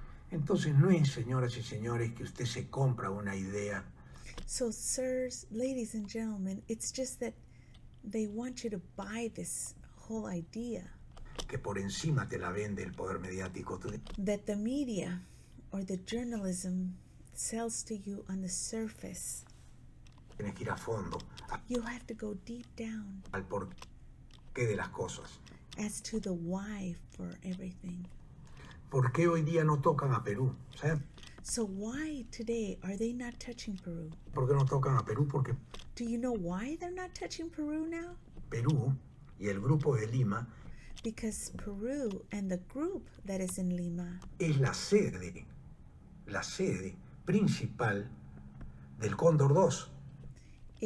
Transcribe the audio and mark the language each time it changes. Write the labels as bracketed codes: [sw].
[es] Entonces no es, señoras y señores, que usted se compra una idea. [en] So sirs, ladies and gentlemen, it's just that they want you to buy this whole idea. [es] Que por encima te la vende el poder mediático. [en] That the media or the journalism sells to you on the surface. [es] Tienes que ir a fondo. [en] You have to go deep down. [es] Al porqué de las cosas. [en] As to the why for everything. [es] ¿Por qué hoy día no tocan a Perú? ¿Sabes? [en] So why today are they not touching Peru? [es] ¿Por qué no tocan a Perú? Porque [en] do you know why they're not touching Peru now? [es] Perú y el grupo de Lima. [en] Because Peru and the group that is in Lima [es] es la sede principal del Cóndor 2.